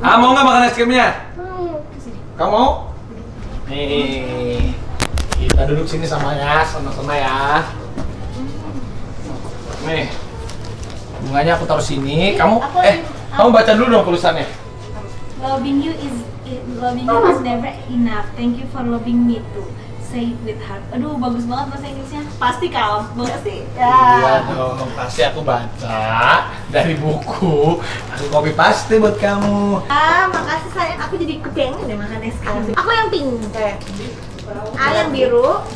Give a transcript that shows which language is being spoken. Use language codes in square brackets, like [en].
[id] Ah, mau nggak makan es krimnya? Sini. Kamu mau? Nih, kita duduk sini sama-sama ya. Nih, bunganya aku taruh sini. Kamu, kamu baca dulu dong tulisannya. [en] Loving you is never enough. Thank you for loving me too. Say it with heart. [id] Aduh, bagus banget bahasa Inggrisnya. Pasti kau, pasti. Iya dong, pasti aku baca dari buku. Aku copy paste buat kamu. Makasih sayang, aku jadi kepengen deh makan es krim. Aku yang pink, kayak A yang biru.